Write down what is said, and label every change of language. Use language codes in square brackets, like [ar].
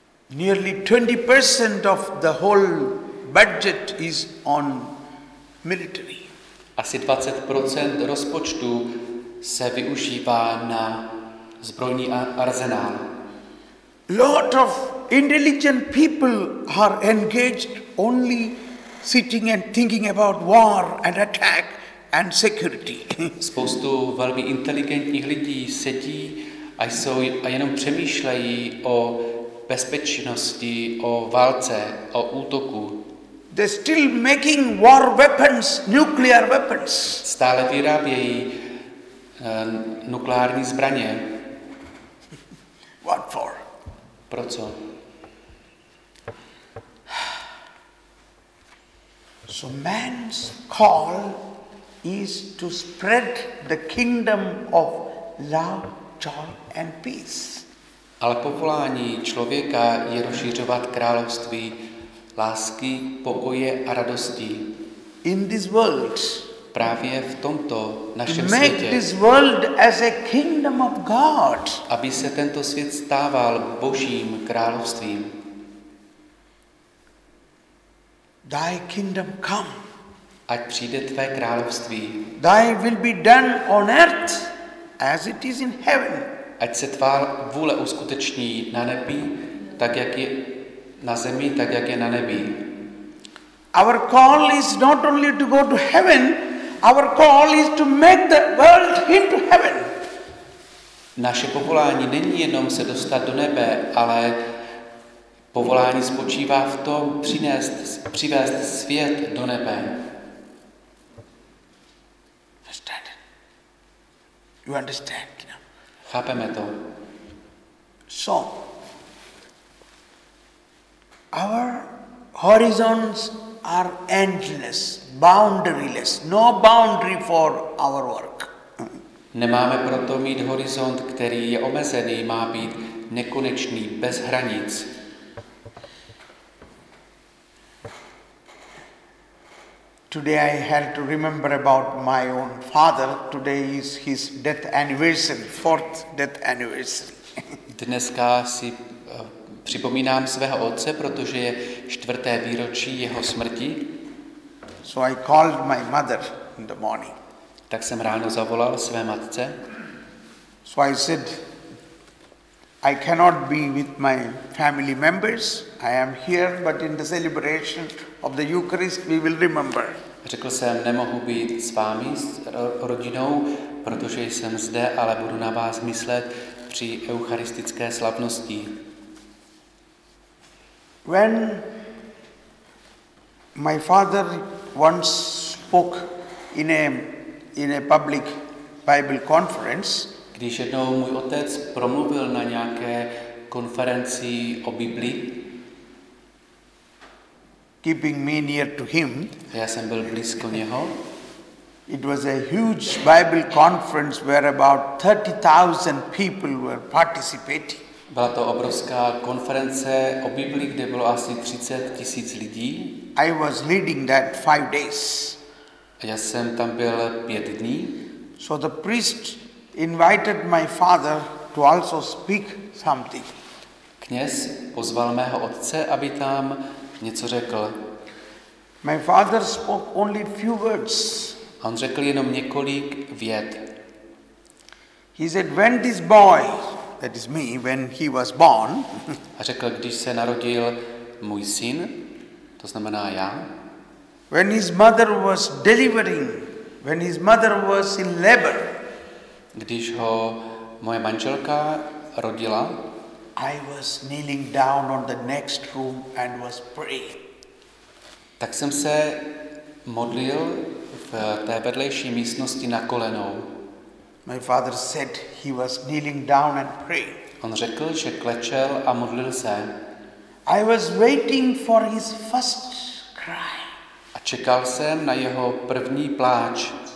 [en] Nearly 20% of the whole budget is on military. [cs] Asi 20% rozpočtu se využívá na zbrojní arzenál. [en] Lot of intelligent people are engaged only sitting and thinking about war and attack and security. [cs] Spoustu velmi inteligentních lidí sedí a jenom přemýšlejí o bezpečnosti, o válce, o útoku. [en] They're still making war weapons, nuclear weapons. [cs] Stále vyrábějí nukleární zbraně. [en] What for? [cs] Pro co? [en] So man's call is to spread the kingdom of love, joy and peace. [cs] Ale povolání člověka je rozšiřovat království lásky, pokoje a radosti. [en] In this world, [cs] právě v tomto našem světě. [en] Make this world as a kingdom of God. [cs] Aby se tento svět stával Božím královstvím. [en] Thy kingdom come. [cs] Ať přijde tvé království. [en] Thy will be done on earth as it is in heaven. [cs] Ať se tvá vůle uskuteční na nebi, tak jak je na zemi, tak jak je na nebi. [en] Our call is not only to go to heaven, our call is to make the world into heaven. [cs] Naše povolání není jenom se dostat do nebe, ale povolání spočívá v tom přivést svět do nebe. [en] Understand? You understand? [cs] Chápeme to. [en] So, our horizons are endless, boundaryless, no boundary for our work. [cs] Nemáme proto mít horizont, který je omezený, má být nekonečný, bez hranic. [en] Today I had to remember about my own father. Today is his death anniversary, fourth death anniversary. [cs] Dneska si připomínám svého otce, protože je čtvrté výročí jeho smrti. [en] So I called my mother in the morning. [cs] Tak jsem ráno zavolal své matce. [en] So I said, I cannot be with my family members. I am here, but in the celebration of the Eucharist we will remember. [cs] Řekl jsem, nemohu být s vámi, s rodinou, protože jsem zde, ale budu na vás myslet při eucharistické slavnosti. [en] When my father once spoke in a public Bible conference, [cs] když jednou můj otec promluvil na nějaké konferenci o Bibli, [en] keeping me near to him. [cs] Já jsem byl blízko něho. [en] It was a huge Bible conference where about 30,000 people were participating. [cs] Byla to obrovská konference o Biblii, kde bylo asi 30 tisíc lidí. [en] I was leading that 5 days. [cs] Já jsem tam byl 5 dní. [en] So the priest invited my father to also speak something. [cs] Kněz pozval mého otce, aby tam něco řekl. [en] My father spoke only few words. [cs] On řekl jenom několik vět. [en] He said, when this boy, that is me, when he was born, [cs] a řekl, když se narodil můj syn, to znamená já, [en] when his mother was delivering, when his mother was in labor, [cs] když ho moje manželka rodila, [en] I was kneeling down on the next room and was praying. [cs] Tak jsem se modlil v té vedlejší místnosti na kolenou. [en] My father said he was kneeling down and praying. [cs] On řekl, že klečel a modlil se. [en] I was waiting for his first cry. [cs] A čekal jsem na jeho první pláč.